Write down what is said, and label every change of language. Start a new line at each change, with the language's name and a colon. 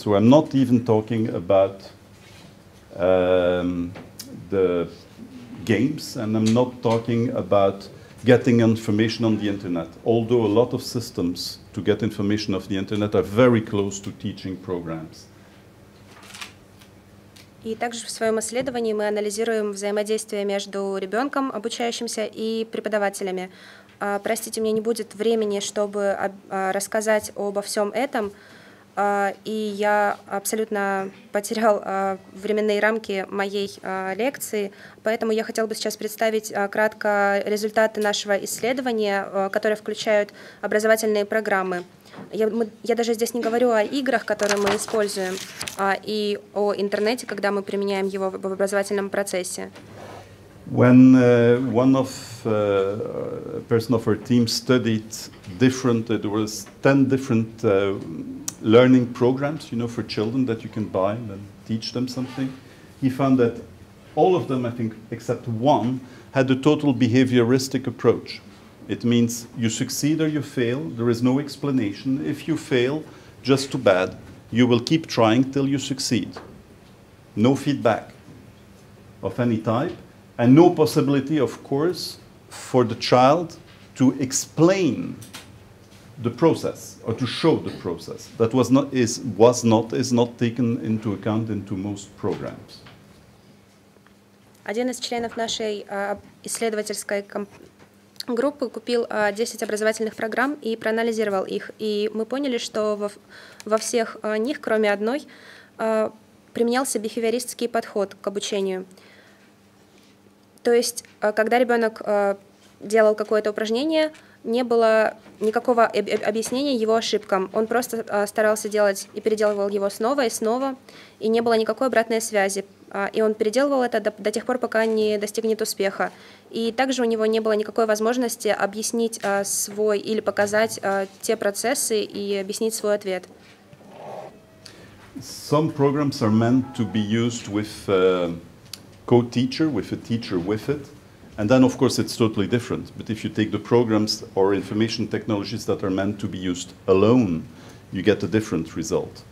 English: So I'm not even talking about the games, and I'm not talking about getting information on the internet, although a lot of systems to get information off the internet are very close to teaching programs.
Russian: И также в своем исследовании мы анализируем взаимодействие между ребенком, обучающимся, и преподавателями. Простите, у меня не будет времени, чтобы рассказать обо всем этом, и я абсолютно потерял временные рамки моей лекции, поэтому я хотела бы сейчас представить кратко результаты нашего исследования, которые включают образовательные программы. Я даже здесь не говорю о играх, которые мы используем, и о интернете, когда мы применяем его в образовательном процессе.
English: When one of a person of our team studied different, there was 10 different learning programs, you know, for children that you can buy and teach them something. He found that all of them, I think, except one, had a total behavioristic approach. It means you succeed or you fail. There is no explanation. If you fail, just too bad. You will keep trying till you succeed. No feedback of any type. And no possibility, of course, for the child to explain the process or to show the process. That was not taken into account into most programs.
Russian: Один из членов нашей исследовательской группы купил 10 образовательных программ и проанализировал их. И мы поняли, что во всех них, кроме одной, применялся бихевиористский подход к обучению. То есть, когда ребенок делал какое-то упражнение, не было никакого объяснения его ошибкам. Он просто старался делать и переделывал его снова и снова, и не было никакой обратной связи. И он переделывал это до тех пор, пока не достигнет успеха. И также у него не было никакой возможности объяснить свой или показать те процессы и объяснить свой ответ.
English: Some programs are meant to be used with co-teacher, with a teacher with it, and then of course it's totally different. But if you take the programs or information technologies that are meant to be used alone, you get a different result.